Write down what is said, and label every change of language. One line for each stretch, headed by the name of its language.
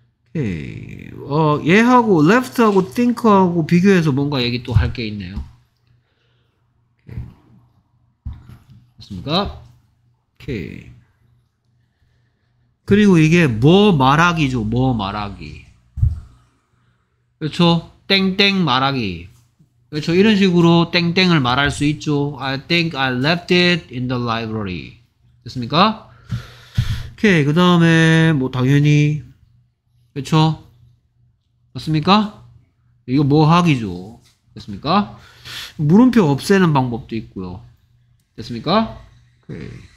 Korean: 오케이. 얘하고 left하고 think하고 비교해서 뭔가 얘기 또 할 게 있네요. 오케이. 됐습니까? 오케이. 그리고 이게 뭐 말하기죠. 뭐 말하기. 그렇죠? 땡땡 말하기. 그렇죠? 이런 식으로 땡땡을 말할 수 있죠.
English: I think I left it in the library.
Korean: 됐습니까? 오케이. 그 다음에 뭐 당연히 그렇죠? 맞습니까? 이거 뭐 하기죠. 됐습니까? 물음표 없애는 방법도 있고요. 됐습니까? 오케이.